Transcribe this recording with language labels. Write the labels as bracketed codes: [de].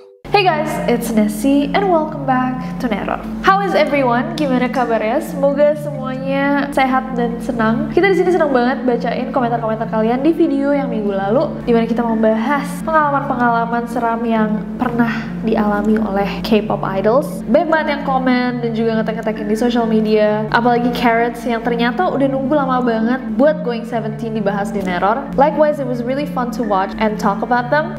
[en] Hey guys, it's Nessie and welcome back to Neror. How is everyone? [id] Gimana kabarnya? Semoga semuanya sehat dan senang. Kita di sini senang banget bacain komentar-komentar kalian di video yang minggu lalu di mana kita membahas pengalaman-pengalaman seram yang pernah dialami oleh K-pop idols. Banyak banget yang komen dan juga ngetek-ngetekin di social media. Apalagi Carrots yang ternyata udah nunggu lama banget buat Going 17 dibahas di Neror. [en] Likewise, it was really fun to watch and talk about them.